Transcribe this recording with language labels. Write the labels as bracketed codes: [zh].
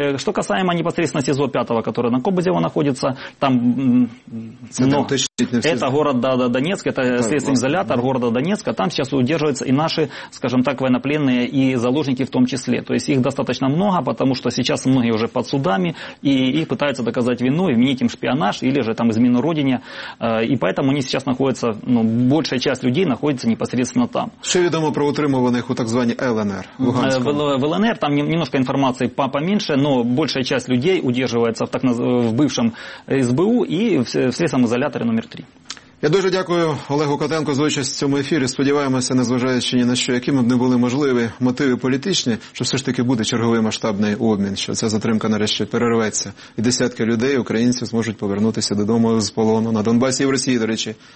[ru] Что касаемо непосредственно СИЗО 5-го, который на Кобызево находится, там это город Донецк, это следственный изолятор города Донецка, там сейчас удерживаются и наши, скажем так, военнопленные и заложники в том числе. То есть, их достаточно много, потому что сейчас многие уже под судами, и их пытаются доказать вину, и вменить им шпионаж, или же там измену родине. И поэтому они сейчас находятся, ну, большая часть людей находится непосредственно там. Что известно [uk] про утримуваних у так званій ЛНР? [ru] В ЛНР там немножко информации поменьше, но большая часть людей удерживается в бывшем СБУ и в следственном изоляторе номер 3. [uk] Я дуже дякую Олегу Котенку за участь в цьому ефірі. Сподіваємося, незважаючи ні на що, якими б не були можливі мотиви політичні, що все ж таки буде черговий масштабний обмін, що ця затримка нарешті перерветься. І десятки людей, українців, зможуть повернутися додому з полону на Донбасі і в Росії, до речі.